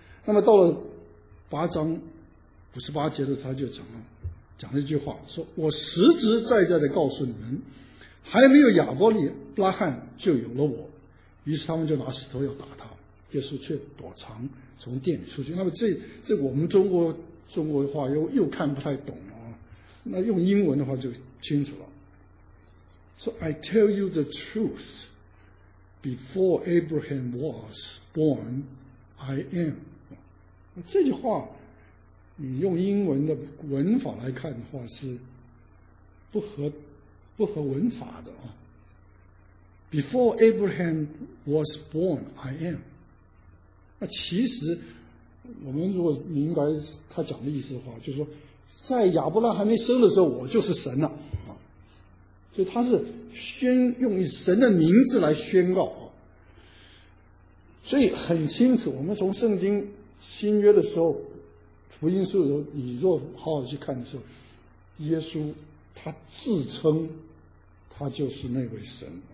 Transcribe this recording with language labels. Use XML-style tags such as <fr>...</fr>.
<zh>那么到了8章58节的时候，他就讲了一句话，说我实实在在的告诉你们，还没有亚伯拉罕就有了我。于是他们就拿石头要打他，耶稣却躲藏从殿里出去。那么这我们中国的话又看不太懂啊。那用英文的话就清楚了。</zh> <en>So I tell you the truth, before Abraham was born, I am.</en> <zh>这句话你用英文的文法来看的话是不合文法的啊。</zh> <en>Before Abraham was born, I am.</en> <zh>那其实我们如果明白他讲的意思的话，就是说在亚伯拉罕还没生的时候我就是神了。所以他是宣用神的名字来宣告。所以很清楚，我们从圣经新约的时候，福音书的时候，你若好好去看的时候，耶稣他自称他就是那位神。</zh>